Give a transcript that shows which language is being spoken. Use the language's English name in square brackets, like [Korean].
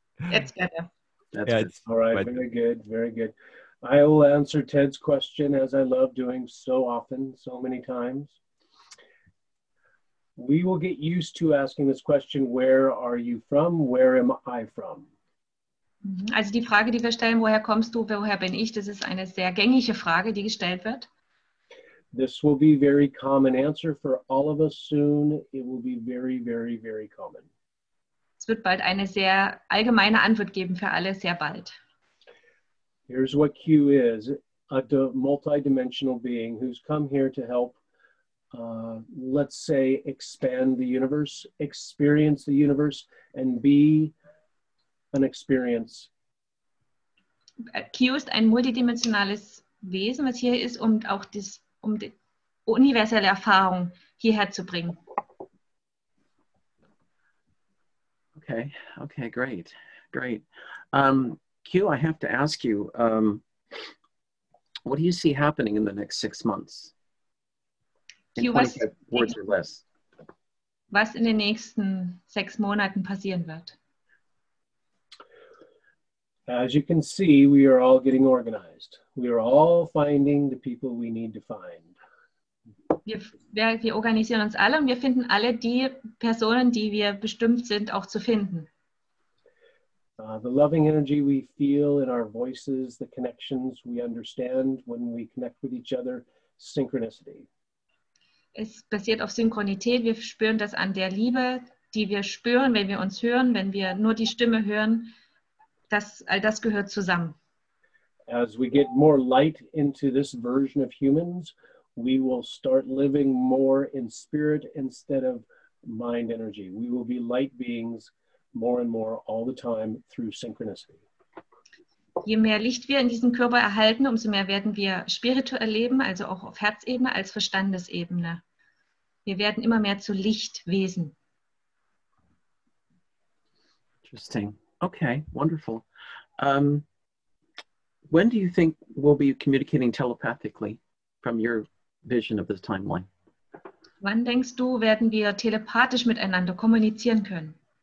[English] It's better. That's good. All right, very good. I will answer Ted's question as I love doing so often, so many times. We will get used to asking this question, where are you from? Where am I from? [German] Also die Frage, die wir stellen, woher kommst du, woher bin ich, das ist eine sehr gängige Frage, die gestellt wird. [English] This will be a very common answer for all of us soon. It will be very, very, very common. [German] Es wird bald eine sehr allgemeine Antwort geben für alle, sehr bald. [English] Here's what Q is, a multidimensional being who's come here to help let's say, expand the universe, experience the universe, and be an experience. [German] Q ist ein multidimensionales Wesen, was hier ist, um auch das, um die universelle Erfahrung hierher zu bringen. [English] Okay, okay, great, great. Q, I have to ask you, what do you see happening in the next 6 months? In 25 words or less. [German] Was in den nächsten 6 Monaten passieren wird? [English] As you can see, we are all getting organized. We are all finding the people we need to find. [German] Wir organisieren uns alle und wir finden alle die Personen, die wir bestimmt sind, auch zu finden. [English] The loving energy we feel in our voices, the connections we understand when we connect with each other, synchronicity. [German] Es basiert auf Synchronität. Wir spüren das an der Liebe, die wir spüren, wenn wir uns hören, wenn wir nur die Stimme hören. Das, all das gehört zusammen. [English] As we get more light into this version of humans, we will start living more in spirit instead of mind energy. We will be light beings more and more all the time through synchronicity. [German] Je mehr Licht wir in diesem Körper erhalten, umso mehr werden wir spirituell leben, also auch auf Herzebene als Verstandesebene. Wir werden immer mehr zu Lichtwesen. [English] Interesting. Okay, wonderful. When do you think we'll be communicating telepathically from your vision of this timeline? [German] Wann denkst du, werden wir telepathisch miteinander kommunizieren können?